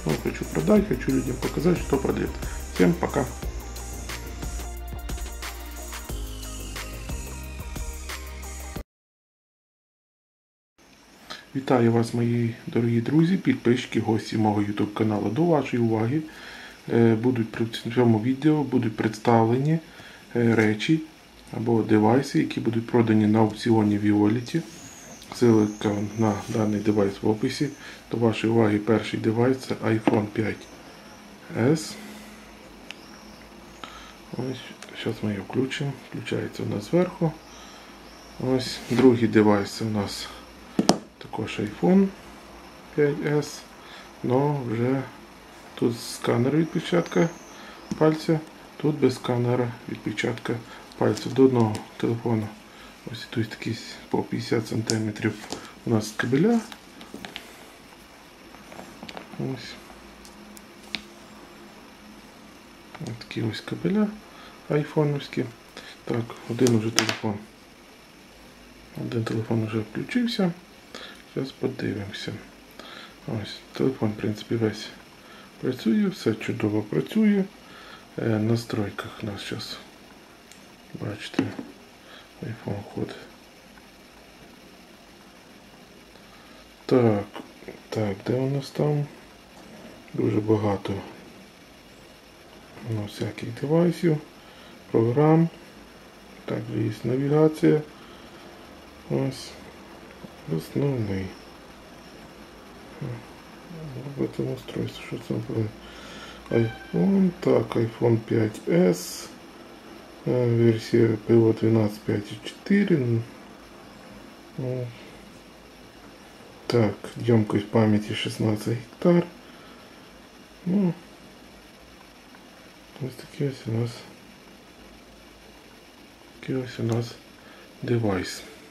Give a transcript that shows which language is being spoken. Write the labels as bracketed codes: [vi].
[ru] Но хочу продать, хочу людям показать, что продает. Всем пока. [uk] Вітаю вас, мої дорогі друзі, підписчики, гості мого YouTube каналу. До вашої уваги будуть в цьому відео будуть представлені речі або девайси, які будуть продані на аукціоні Віоліті. Ссылка на даний девайс в описі. До вашої уваги перший девайс – це iPhone 5S. Ось, зараз ми його включимо. Включається у нас зверху. Ось, другий девайс у нас також iPhone 5S. Но вже тут сканер відпечатка пальця. Тут без сканера відпечатка пальця до одного телефону. Ось тут якийсь по 50 сантиметрів у нас кабеля. Ось. Ось такі ось кабеля айфонівські. Так, один уже телефон. Один телефон уже включився. Зараз подивимося. Ось, телефон, в принципі, весь працює. Все чудово працює. Настройках у нас зараз. Бачите, iPhone ход. Так, так, де у нас там? Дуже багато ну, всяких девайсів, програм. Так, є навігація. Ось, основний. В цьому устройстві, що це буде? iPhone, так, iPhone 5S. Версія ПО 12.5.4. Ну, так, ємкость пам'яті 16 гектар. Ну, ось такий ось у нас. Такий ось у нас девайс.